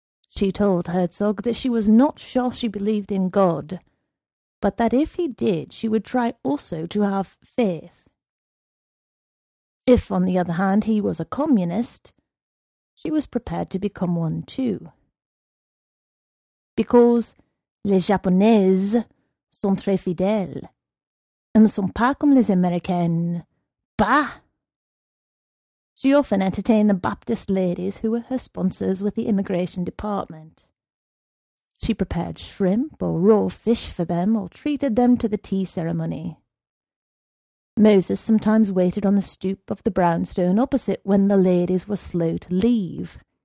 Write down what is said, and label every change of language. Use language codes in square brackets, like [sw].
[en] She told Herzog that she was not sure she believed in God, but that if he did, she would try also to have faith. If, on the other hand, he was a communist, she was prepared to become one too. Because [fr] les Japonaises sont très fidèles [en] and [fr] ne sont pas comme les Américaines. Bah! [en] She often entertained the Baptist ladies who were her sponsors with the immigration department. She prepared shrimp or raw fish for them or treated them to the tea ceremony. Moses sometimes waited on the stoop of the brownstone opposite when the ladies were slow to leave.